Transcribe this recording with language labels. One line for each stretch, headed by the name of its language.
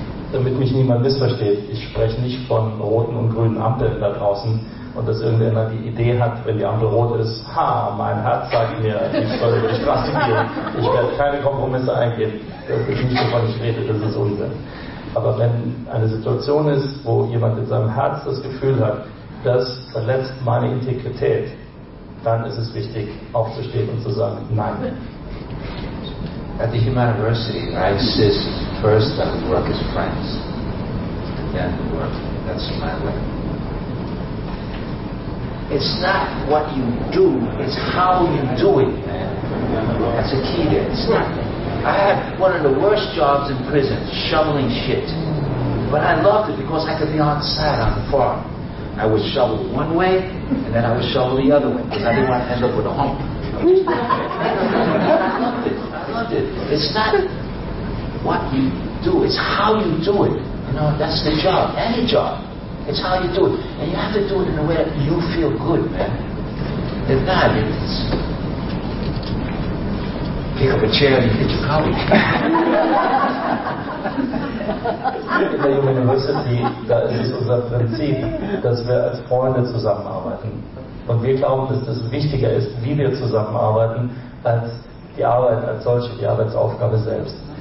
German: Damit mich niemand missversteht, ich spreche nicht von roten und grünen Ampeln da draußen und dass irgendeiner die Idee hat, wenn die Ampel rot ist, ha, mein Herz sagt mir, ich soll über die Straße gehen, ich werde keine Kompromisse eingehen. Das ist nicht, wovon ich rede, das ist Unsinn. Aber wenn eine Situation ist, wo jemand in seinem Herz das Gefühl hat, das verletzt meine Integrität, dann ist es wichtig, aufzustehen und zu sagen, nein.
English: At the Human University, I insist first that we work as friends, then we work. That's my way. It's not what you do, it's how you do it, man. That's a key there. It's not. I had one of the worst jobs in prison, shoveling shit. But I loved it because I could be on site on the farm. I would shovel one way, and then I would shovel the other way, because I didn't want to end up with a hump. It's not what you do, it's how you do it. You know, that's the job, any job. It's how you do it. And you have to do it in a way that you feel good, man. If not, it's pick up a chair and hit your colleague.
German: In der Human University, da ist es unser Prinzip, dass wir als Freunde zusammenarbeiten. Und wir glauben, dass das wichtiger ist, wie wir zusammenarbeiten, als die Arbeit als solche, die Arbeitsaufgabe selbst.